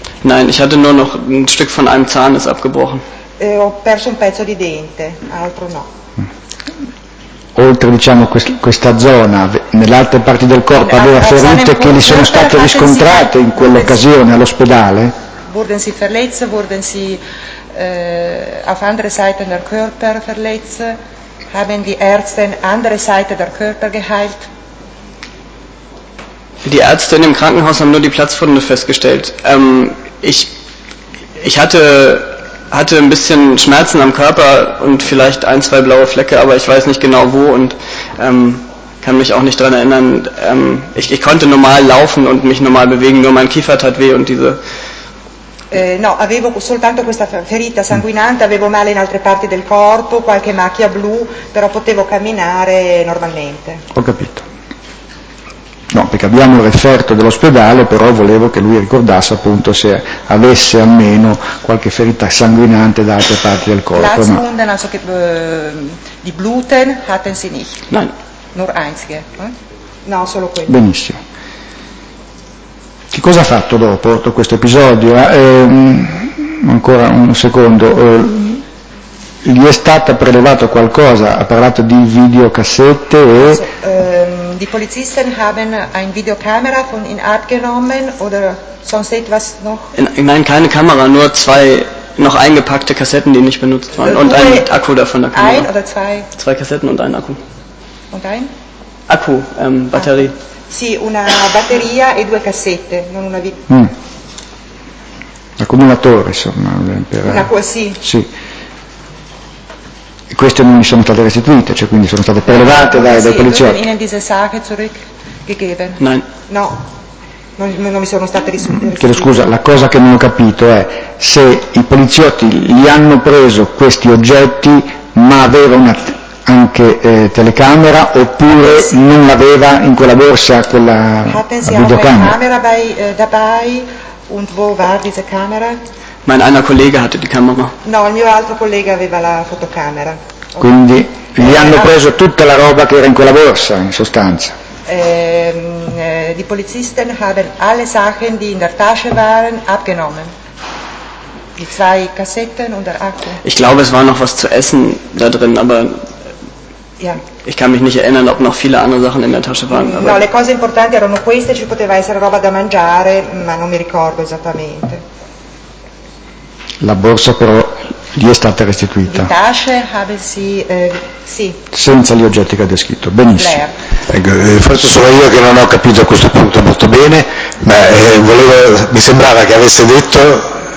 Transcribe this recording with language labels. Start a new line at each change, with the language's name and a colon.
German: Nein, ich hatte nur noch ein Stück von einem Zahn ist abgebrochen.
Italian: Ho perso un pezzo di dente, altro no. Oltre, diciamo, questa zona, nelle altre parti del corpo, aveva ferite che gli sono state riscontrate in quell'occasione all'ospedale?
German: Wurden Sie verletzt? Wurden Sie auf andere Seite der Körper verletzt? Haben die Ärzte andere Seite der Körper geheilt? Die Ärzte in dem Krankenhaus haben nur die Platzwunde festgestellt. Ich hatte ein bisschen Schmerzen am Körper und vielleicht ein, zwei blaue Flecke, aber ich weiß nicht genau wo und kann mich auch nicht daran erinnern. Ich konnte normal laufen und mich normal bewegen, nur mein Kiefer tat weh und diese
Italian: No, avevo soltanto questa ferita sanguinante, avevo male in altre parti del corpo, qualche macchia blu, però potevo camminare normalmente. Ho capito. No, perché abbiamo il referto dell'ospedale, però volevo che lui ricordasse appunto se avesse almeno qualche ferita sanguinante da altre parti del corpo. La seconda, non so che, di
German: Bluten, hatten Sie nicht. Nein. Nur einzige.
Italian: Eh? No, solo quello. Benissimo. Che cosa ha fatto dopo questo episodio? Ancora un secondo. Gli è stato prelevato qualcosa? Ha parlato di videocassette e...
German: Die Polizisten haben ein Videokamera von ihm abgenommen oder sonst etwas noch? Nein, keine Kamera, nur zwei noch eingepackte Kassetten, die nicht benutzt waren. Und ein Akku davon, der Kamera. Ein oder zwei? Zwei Kassetten und ein Akku. Und ein? Akku, Batterie. Ah.
Italian: Sì, una batteria e due cassette, non una vita. Accumulatore, insomma. Per... Una qua, sì. Sì. E queste non mi sono state restituite, cioè quindi sono state prelevate dai poliziotti.
German: Sì, in diese Sache zurück gegeben. Nein.
Italian: No, non mi sono state restituite. Chiedo scusa, la cosa che non ho capito è se i poliziotti li hanno preso questi oggetti, ma avevano... anche telecamera oppure sì. Non aveva in quella borsa quella videocamera
German: bei dabei und wo war diese Kamera? Mein einer Kollege hatte die Kamera.
Italian: No, il mio altro collega aveva la fotocamera. Quindi gli hanno preso tutta la roba che era in quella borsa, in sostanza.
German: Die Polizisten haben alle Sachen, die in der Tasche waren, abgenommen. Die zwei Kassetten und der Akku. Ich glaube, es war noch was zu essen da drin, aber ich kann mich nicht erinnern, ob noch viele andere Sachen in der Tasche waren.
Italian: No, le cose importanti erano queste, ci poteva essere roba da mangiare, ma non mi ricordo esattamente. La borsa però gli è stata restituita.
German: Die Tasche habe sie, sì.
Italian: Senza gli oggetti che ha descritto, benissimo. Ecco, forse sono io che non ho capito a questo punto molto bene, ma mi sembrava che avesse detto...